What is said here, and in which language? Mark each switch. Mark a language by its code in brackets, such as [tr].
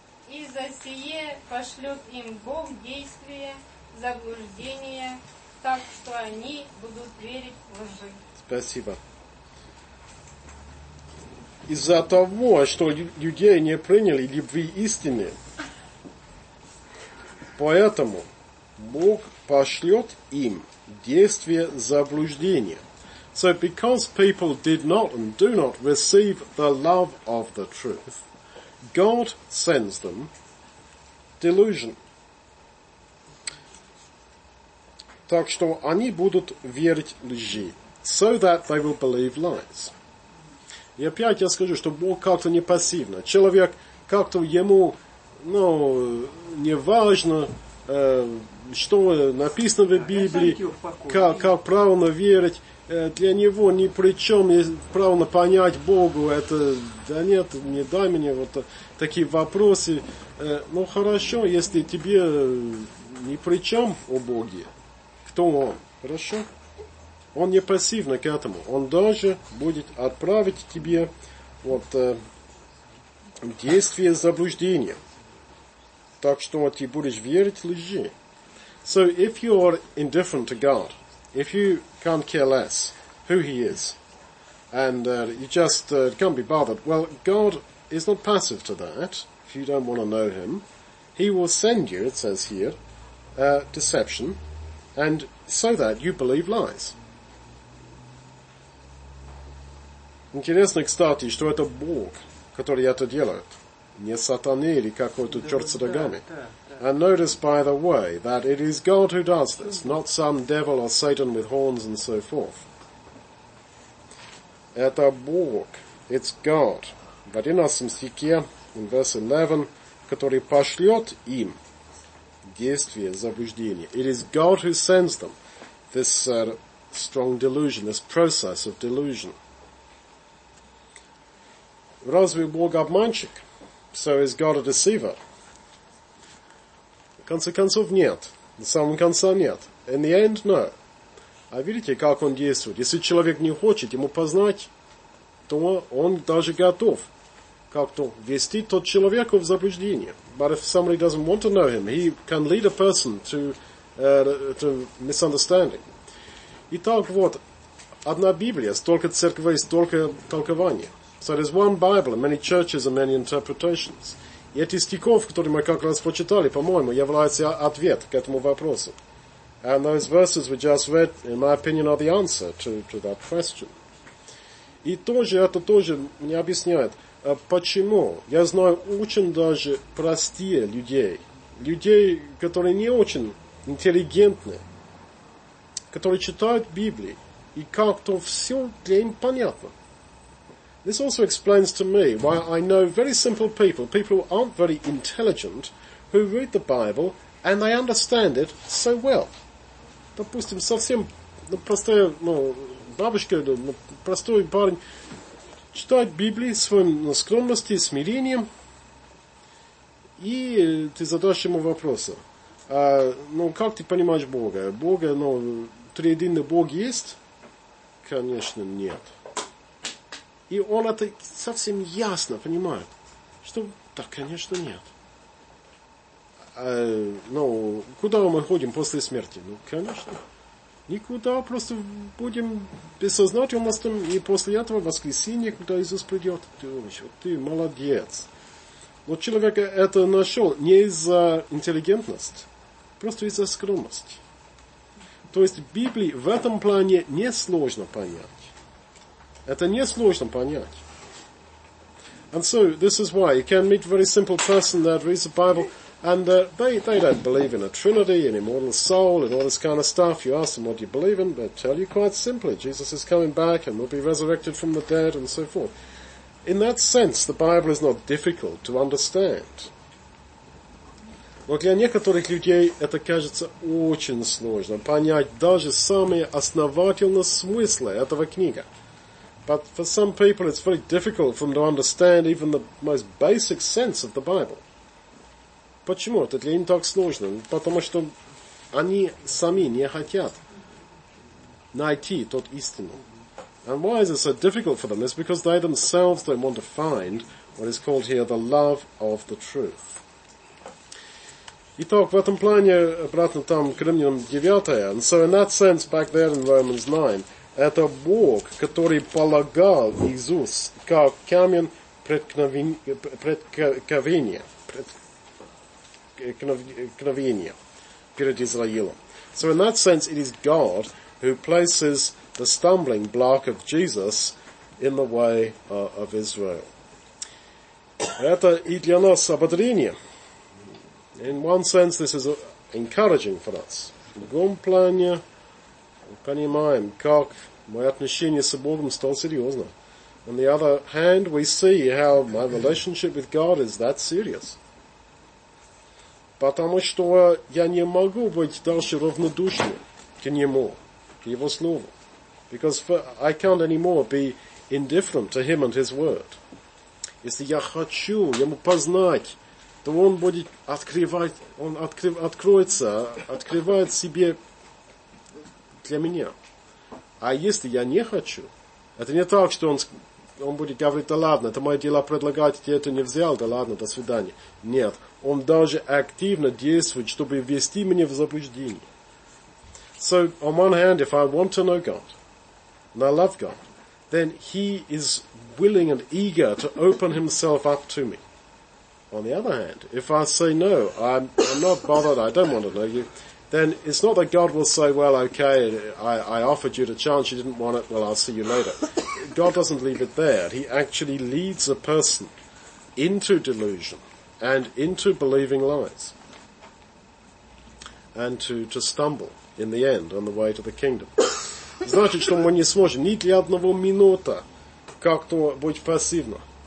[ru] И за сие пошлет им Бог действие, заблуждение, так что они будут верить в лжи. Спасибо. Из-за того, что людей не приняли любви истины, поэтому Бог пошлет им действие заблуждения. [en] So because people did not and do not receive the love of the truth, God sends them delusion. [ru] Так что они будут верить лжи, [en] so that they will believe lies. [ru] И опять я скажу, что Бог как-то не пассивно. Человек как-то ему, ну, не важно, что написано в Библии, как правильно верить. Для него ни при чем правильно понять Богу. Это, да нет, не дай мне вот такие вопросы. Ну хорошо, если тебе ни при чем о Боге, кто он? Хорошо? Он не пассивно к этому. Он даже будет отправить тебе вот действие заблуждения. Так что ты будешь верить лжи. [en] So if you are indifferent to God, if you can't care less who he is, and you just can't be bothered, well, God is not passive to that. If you don't want to know him, he will send you, it says here, deception, and so that you believe lies. [ru] Интересно, кстати, что это Бог, который это делает, не сатаны или какой-то черт с рогами. [en] And notice, by the way, that it is God who does this, not some devil or Satan with horns and so forth. [ru] Это Бог, [en] it's God. [ru] В 11 стихе, [en] in verse 11, [ru] который пошлет им действие заблуждения. [en] It is God who sends them this strong delusion, this process of delusion. [ru] Разве Бог обманщик? [en] So is God a deceiver? [ru] В конце концов, нет. На самом конце, нет. [en] In the end, no. [ru] А видите, как он действует? Если человек не хочет ему познать, то он даже готов как-то ввести тот человека в заблуждение. [en] But if somebody doesn't want to know him, he can lead a person to misunderstanding. [ru] Итак, вот, одна Библия, столько церквей, столько толкований. [en] So there's one Bible, many churches and many interpretations. [ru] И эти стихов, которые мы как раз прочитали, по-моему, являются ответ к этому вопросу. [en] And those verses we just read, in my opinion, are the answer to that question. [ru] И тоже, это тоже мне объясняет, почему. Я знаю очень даже простые людей. Людей, которые не очень интеллигентны. Которые читают Библии. И как-то все для них понятно. [en] This also explains to me why I know very simple people, people who aren't very intelligent, who read the Bible and they understand it so well. [ru] Допустим, совсем простая, ну, бабушка, ну, простой парень читает Библию своим скромности, смирением, и ты задашь ему вопрос: ну, как ты понимаешь Бога? Бога, ну, триединный Бог есть? Конечно, нет. И он это совсем ясно понимает, что да, конечно, нет. Ну, куда мы ходим после смерти? Ну, конечно. Никуда, просто будем бессознательностью, и после этого воскресенье, когда Иисус придет, думаешь, вот ты молодец. Но человек это нашел не из-за интеллигентности, просто из-за скромности. То есть Библии в этом плане несложно понять. Это несложно понять. [en] And so this is why you can meet a very simple person that reads the Bible and they don't believe in a Trinity, an immortal soul and all this kind of stuff. You ask them what you believe in, they tell you quite simply, Jesus is coming back and will be resurrected from the dead and so forth. In that sense, the Bible is not difficult to understand. [ru] Но для некоторых людей это кажется очень сложно понять даже самые основательные смыслы этого книга. [en] But for some people, it's very difficult for them to understand even the most basic sense of the Bible. [ru] Почему это для них так сложно? Потому что они сами не хотят найти тот истину. [en] And why is it so difficult for them? It's because they themselves don't want to find what is called here the love of the truth. [ru] Итак, в этом плане, обратно там, к Римлянам 9, [en] and so in that sense, back there in Romans 9, [ru] это Бог, который полагал Иисус как камень преткновения перед Израилем. [en] So in that sense, it is God who places the stumbling block of Jesus in the way of Israel. [ru] Это и для нас ободрение. [en] In one sense, this is encouraging for us. [ru] В другом плане, мы понимаем, как мое отношение с Богом стало серьезно. [en] On the other hand, we see how my relationship with God is that serious. [ru] Потому что я не могу быть дальше равнодушным к Нему, к Его Слову. [en] Because I can't anymore be indifferent to Him and His Word. [ru] Если я хочу Ему познать, то Он будет открывать, Он открывает себе для меня. А если я не хочу, это не так, что он будет говорить, да ладно, это мои дела предлагать, я это не взял, да ладно, до свидания. Нет, он даже активно действует, чтобы ввести меня в заблуждение. [en] So, on one hand, if I want to know God, and I love God, then He is willing and eager to open Himself up to me. On the other hand, if I say no, I'm not bothered, I don't want to know you, then it's not that God will say, well, okay, I offered you the chance, you didn't want it, well, I'll see you later. God doesn't leave it there. He actually leads a person into delusion and into believing lies and to stumble in the end on the way to the kingdom. [ru] Значит, что мы не сможем ни для одного минута как-то быть пассивно.